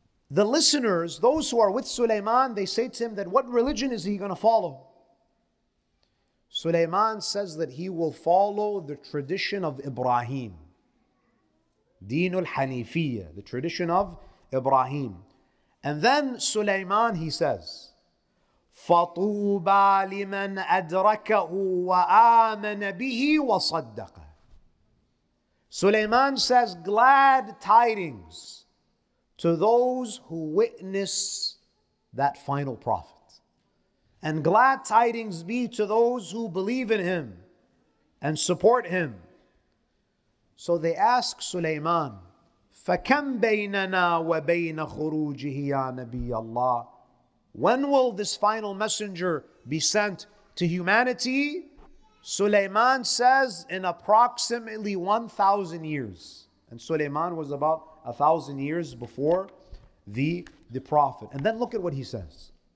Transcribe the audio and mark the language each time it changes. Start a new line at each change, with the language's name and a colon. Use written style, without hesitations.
English: The listeners, those who are with Sulaiman, they say to him that what religion is he going to follow? Sulaiman says that he will follow the tradition of Ibrahim. Deen al-Hanifiyya, the tradition of Ibrahim. And then Sulaiman, he says,
Arabic: فَطُوبَى لِمَنْ أَدْرَكَهُ وَآمَنَ بِهِ وَصَدَّقَ.
English: Sulaiman says, glad tidings to those who witness that final prophet. And glad tidings be to those who believe in him and support him. So they ask Sulaiman,
Arabic: فَكَمْ بَيْنَنَا وَبَيْنَ خُرُوجِهِ يَا نَبِيَ اللَّهِ.
English: When will this final messenger be sent to humanity? Sulaiman says, in approximately 1,000 years. And Sulaiman was about 1,000 years before the Prophet. And then look at what he says.